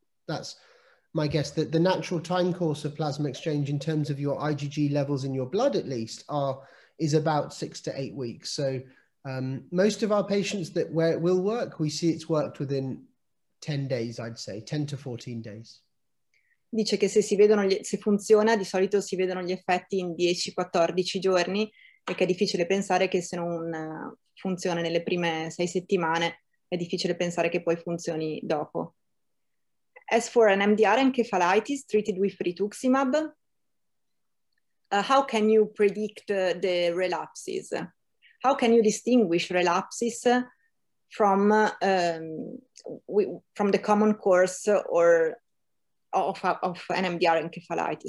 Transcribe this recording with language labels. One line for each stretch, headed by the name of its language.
English: That's my guess. That the natural time course of plasma exchange in terms of your IgG levels in your blood, at least, is about 6 to 8 weeks. So most of our patients that where it will work, we see it's worked within 10 days, I'd say, 10 to 14 days.
Italian: Dice che se funziona, di solito si vedono gli effetti in 10-14 giorni, e che è difficile pensare che se non funziona nelle prime 6 settimane, è difficile pensare che poi funzioni dopo.
English: As for an MDR encephalitis treated with rituximab, how can you predict the relapses? How can you distinguish relapses from the common course or of NMDR encephalitis?